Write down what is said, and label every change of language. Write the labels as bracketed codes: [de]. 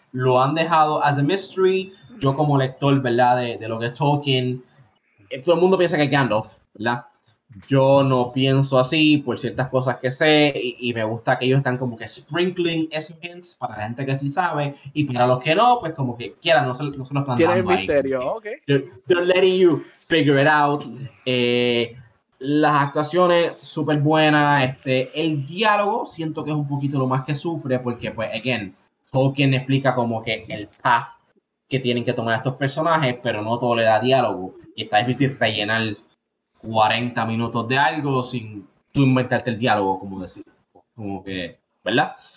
[es] Lo han dejado [en] as a mystery. [es] Yo, como lector, ¿verdad? De lo que es Tolkien, todo el mundo piensa que es Gandalf, ¿verdad? Yo no pienso así por ciertas cosas que sé y me gusta que ellos están como que sprinkling esos hints para la gente que sí sabe y para los que no, pues como que quieran, no se lo están Tiene el dando ahí. misterio, okay. [en] They're letting you figure it out. [es] Las actuaciones súper buenas, el diálogo siento que es un poquito lo más que sufre porque, pues, again, Tolkien explica como que el path que tienen que tomar estos personajes, pero no todo le da diálogo y está difícil rellenar 40 minutos de algo sin tú inventarte el diálogo, como decir, como que, ¿verdad?